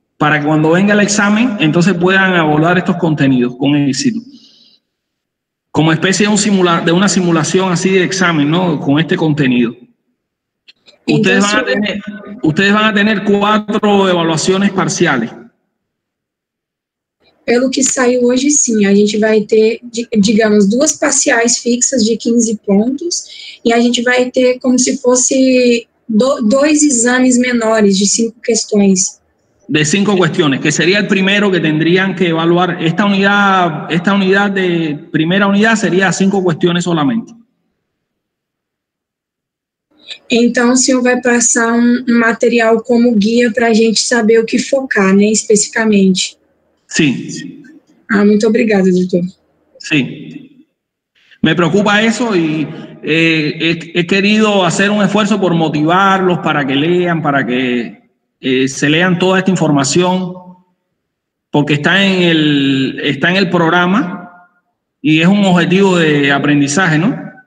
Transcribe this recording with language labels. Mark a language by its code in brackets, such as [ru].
[es] Para que cuando venga el examen, entonces puedan abordar estos contenidos con éxito. Como especie de una simulación así de examen, ¿no? Con este contenido. Ustedes van a tener cuatro evaluaciones parciales. [pt] Pelo que saiu hoje, sim, a gente vai ter, digamos, duas parciais fixas de 15 pontos e a gente vai ter como se fosse dois exames menores de 5 questões. De 5 questões, que seria o primeiro que teriam que evaluar. Esta unidade de primeira unidade seria 5 questões solamente. Então, o senhor vai passar um material como guia para a gente saber o que focar, né, especificamente. [es] Sí. Ah, muy obrigada, doctor. Sí. Me preocupa eso y he querido hacer un esfuerzo por motivarlos para que lean, para que se lean toda esta información, porque está en el programa y es un objetivo de aprendizaje, ¿no?